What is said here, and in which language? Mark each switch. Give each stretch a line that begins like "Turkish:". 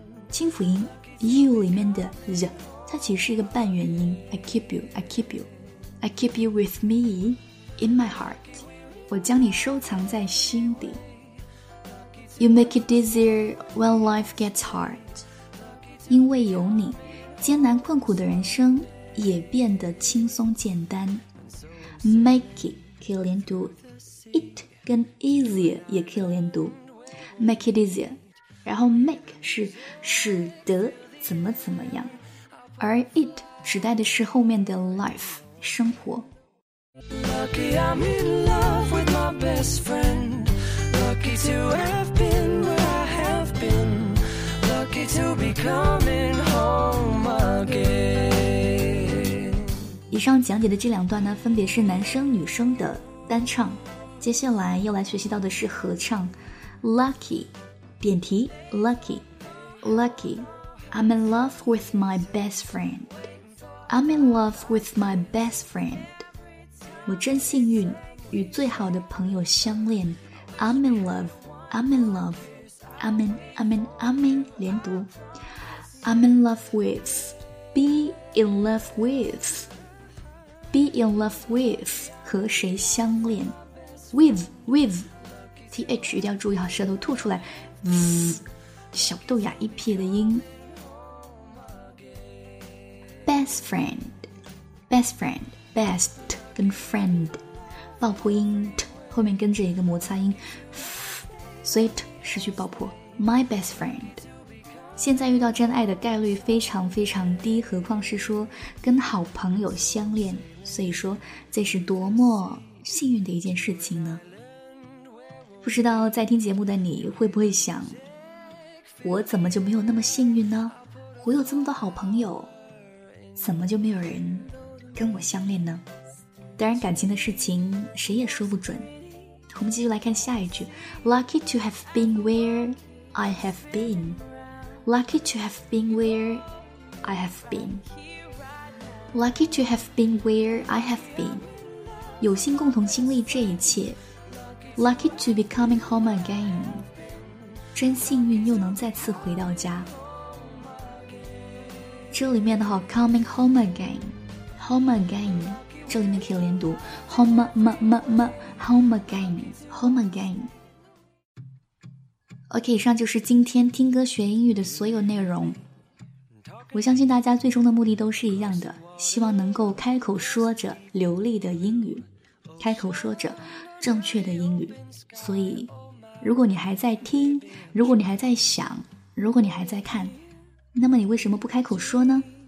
Chinese: 轻辅音 you 里面的 z， 它其实是一个半元音。
English: I keep you I keep you I keep you with meIn my heart，
Chinese: 我将你收藏在心底。
English: You make it easier when life gets hard，
Chinese: 因为有你，艰难困苦的人生也变得轻松简单。 Make it 可以连读， it 跟 easier 也可以连读，
English: make it easier，
Chinese: 然后 make 是使得怎么怎么样，而 it 指代的是后面的 life 生活。
English: Lucky I'm in love with my best friend. Lucky to have been where I have been. Lucky to be coming home again.
Chinese: 以上讲解的这两段呢，分别是男生女生的单唱。接下来要来学习到的是合唱。 Lucky， 点题。
English: Lucky， I'm in love with my best friend. I'm in love with my best friend.
Chinese: 我真幸运与最好的朋友相恋。
English: I'm in love, I'm in love, I'm in, I'm in, I'm in, 连读。 I'm in love with, be in love with, be in love with,
Chinese: 和谁相恋。 With, with, TH 一定要注意好舌头吐出来 Z, 小豆芽一撇的音。 Best friend, best friend, best,跟 friend 爆破音 t 后面跟着一个摩擦音 f， 所以 t 失去爆破。 My best friend， 现在遇到真爱的概率非常非常低，何况是说跟好朋友相恋，所以说这是多么幸运的一件事情呢。不知道在听节目的你会不会想，我怎么就没有那么幸运呢？我有这么多好朋友，怎么就没有人跟我相恋呢？当然感情的事情谁也说不准。我们继续来看下一句，
English: Lucky to have been
Chinese: where I have been.
English: Lucky to have been where I have been. Lucky to have been where I have been.
Chinese: 有幸共同经历这一切。
English: Lucky to be coming home again.
Chinese: 真幸运又能再次回到家。这里面的话
English: coming home again, home again,
Chinese: 这里面可以连读 home again, home again. OK, 以上就是今天听歌学英语的所有内容。我相信大家最终的目的都是一样的，希望能够开口说着流利的英语，开口说着正确的英语。所以如果你还在听，如果你还在想，如果你还在看，那么你为什么不开口说呢？